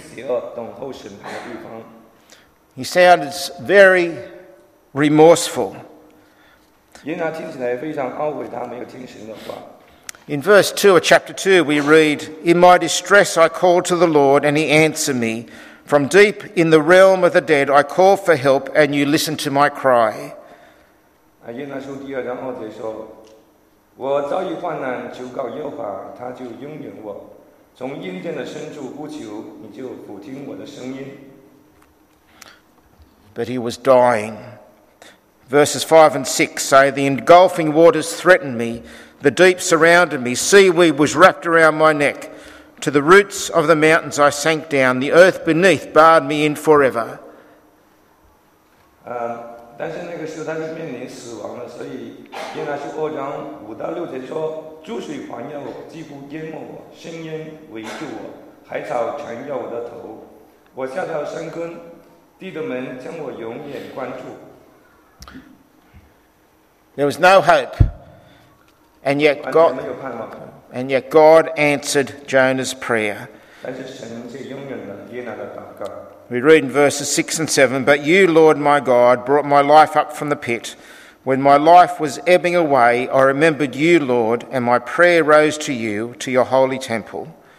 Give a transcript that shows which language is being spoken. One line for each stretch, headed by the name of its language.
Chinese: 在希伯来文里面呢，原文的意思，阴间是指的那些囚禁邪恶等候审判的地方。
English: He sounds very remorseful.
Chinese: 耶拿听起来非常懊悔，他没有听神的话。
English: In verse 2 of chapter 2, we read, "In my distress I called to the Lord, and he answered me. From deep in the realm of the dead, I call for help, and you listen to my cry."
Chinese: 耶拿书第二章二节说，我遭遇患难，求告耶和华，他就应允我。从阴间的深处呼求，你就俯听我的声音。
English: But he was dying. Verses 5 and 6 say, "The engulfing waters threatened me, The deep surrounded me. Seaweed was wrapped around my neck. To the roots of the mountains I sank down. The earth beneath barred me in forever.
Chinese: 但是那个时候他是面临死亡的，所以原来是二章五到六节说，注水环绕我，几乎淹没我，深渊围住我，海草缠绕我的头，我下到深坑，地的门将我永远关住。
English: There was no hope, and yet God, answered Jonah's prayer.
Chinese: 但是神却应允了约拿的祷告。
English: We read in verses 6 and 7, But you, Lord my God, brought my life up from the pit. When my life was ebbing away, I remembered you, Lord, and my prayer rose to you, to your holy temple.